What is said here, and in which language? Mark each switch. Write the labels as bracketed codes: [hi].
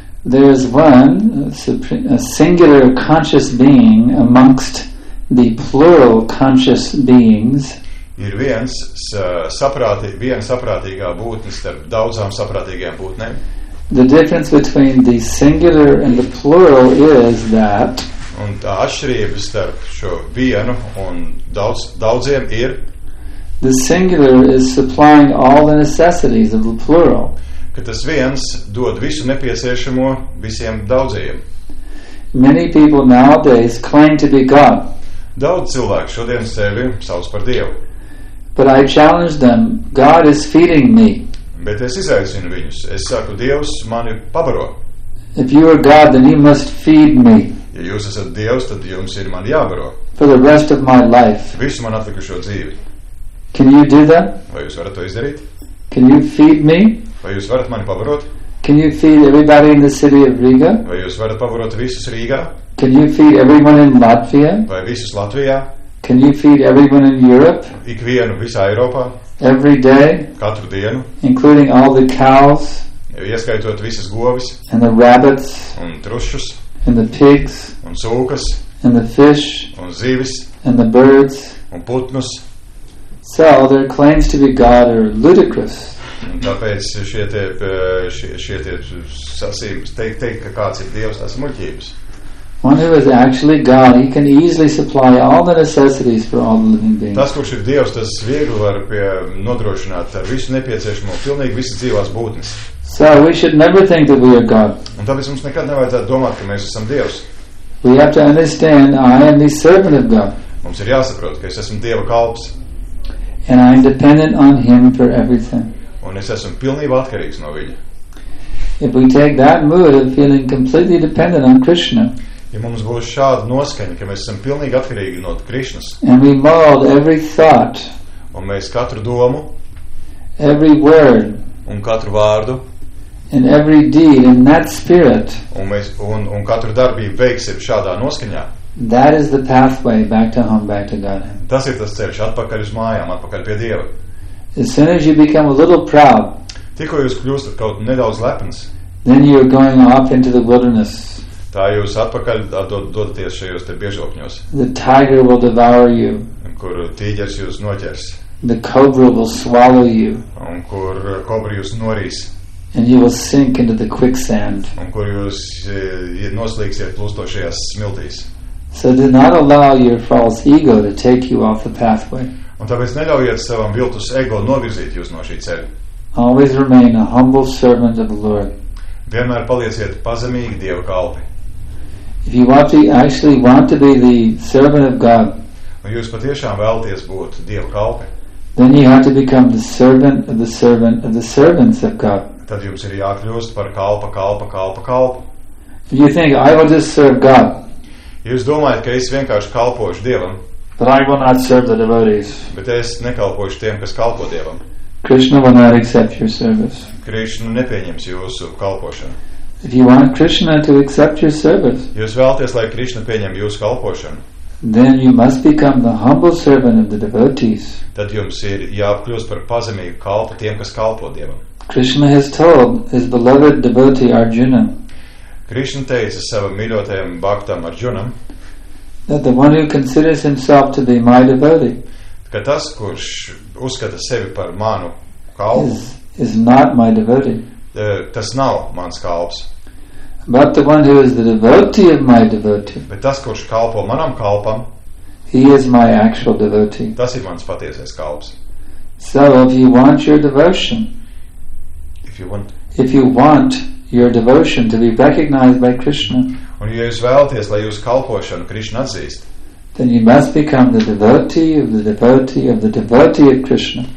[en] There is one a singular conscious being amongst the plural conscious beings. [lv] Ir viens saprātīgā būtne starp daudzām saprātīgajām būtnēm. [en] The difference between the singular and the plural is that. [lv] Un tā atšķirība starp šo vienu un daudziem ir. [en] The singular is supplying all the necessities of the plural. [lv] Ka tas viens dod visu nepieciešamo visiem daudziem. [en] Many people nowadays claim to be God. [lv] Daudz cilvēku šodien sevi sauc par Dievu. [en] But I challenge them, God is feeding me. [lv] Bet es izaicinu viņus. Es saku, Dievs mani pabaro. [en] If you are God, then you must feed me. [lv] Ja jūs esat Dievs, tad jums ir mani jābaro. [en] For the rest of my life. [lv] Visu man atlikušo dzīvi. [en] Can you do that? [lv] Vai jūs varat to izdarīt? [en] Can you feed me? [lv] Vai jūs varat mani pabarot? [en] Can you feed everybody in the city of Riga? [lv] Vai jūs varat pabarot visus Rīgā? [en] Can you feed everyone in Latvia? [lv] Vai visus Latvijā? [en] Can you feed everyone in Europe? [lv] Ikvienu visā Eiropā? [en] Every day? [lv] Katru dienu? [en] Including all the cows? [lv] Ieskaitot visas govis? [en] And the rabbits? [lv] Un trušus? [en] And the pigs? [lv] Un sūkas? [en] And the fish? [lv] Un zīvis? [en] And the birds? [lv] Un putnus? [en] So their claims to be God are ludicrous. [lv] Un tāpēc šie tie sasības teikt, ka kāds ir Dievs, tās muļķības. [en] One who is actually God, he can easily supply all the necessities for all the living beings. [lv] Tas, kurš ir Dievs, tas viegli var nodrošināt visu nepieciešamo, pilnīgi visas dzīvās būtnes. [en] So we should never think that we are God. [lv] Un tāpēc mums nekad nevajadzētu domāt, ka mēs esam Dievs. [en] We have to understand I am the servant of God. [lv] Mums ir jāsaprot, ka es esmu Dieva kalps. [en] And I am dependent on him for everything. [lv] Un es esmu pilnībā atkarīgs no viņa. [en] If we take that mood of feeling completely dependent on Krishna, [lv] ja mums būs šāda noskaņa, ka mēs esam pilnīgi atkarīgi no Krišnas, [en] and we mold every thought, [lv] un mēs katru domu, [en] every word, [lv] un katru vārdu, [en] and every deed in that spirit, [lv] un katru darbību veiksim šādā noskaņā, [en] that is the pathway back to home, back to God. [lv] Tas ir tas ceļš atpakaļ uz mājām, atpakaļ pie Dieva. [en] As soon as you become a little proud, [lv] tikko jūs kļūstat kaut nedaudz lepns, [en] then you are going off into the wilderness. [lv] Tā jūs atpakaļ dodaties šajos te biežokņos. [en] The tiger will devour you. [lv] Kur tīģers jūs noķers. [en] The cobra will swallow you. [lv] Un kur kobra jūs norīs. [en] And you will sink into the quicksand. [lv] Un kur jūs noslīgsiet plūstošajās smiltīs. [en] So do not allow your false ego to take you off the pathway. [lv] Un tāpēc neļaujiet savam viltus ego novirzīt jūs no šī ceļa. [en] Always remain a humble servant of the Lord. [lv] Vienmēr palieciet pazemīgi Dieva kalpi. [en] If you actually want to be the servant of God, [lv] un jūs patiešām vēlaties būt Dieva kalpi, [en] then you have to become the servant of the servant of the servants of God. [lv] Tad jums ir jākļūst par kalpa, kalpa, kalpa, kalpa. [en] If you think, I will just serve God, [lv] jūs domājat, ka es vienkārši kalpošu Dievam, [en] but I will not serve the devotees, [lv] bet es nekalpošu tiem, kas kalpo Dievam, [en] Krishna will not accept your service. [lv] Krishna nepieņems jūsu kalpošanu. [en] If you want Krishna to accept your service, [lv] jūs vēlaties, lai Krishna pieņem jūsu kalpošanu, [en] then you must become the humble servant of the devotees. [lv] Tad jums ir jāapkļūst par pazemīgu kalpu tiem, kas kalpo Dievam. [en] Krishna has told his beloved devotee Arjuna, [lv] Krishna teica savam mīļotajam baktam Arjunam, [en] that the one who considers himself to be my devotee, [lv] ka tas, kurš uzskata sevi par manu kalpu, [en] is not my devotee. [lv] Tas nav mans kalps. [en] But the one who is the devotee of my devotee, [lv] bet tas, kurš kalpo manam kalpam, [en] he is my actual devotee. [lv] Tas ir mans patiesais kalps. [en] So if you want your devotion, if you want your devotion to be recognized by Krishna, [lv] un ja jūs vēlaties, lai jūs kalpošanu Krishna atzīst, [en] then you must become the devotee of the devotee of the devotee of Krishna.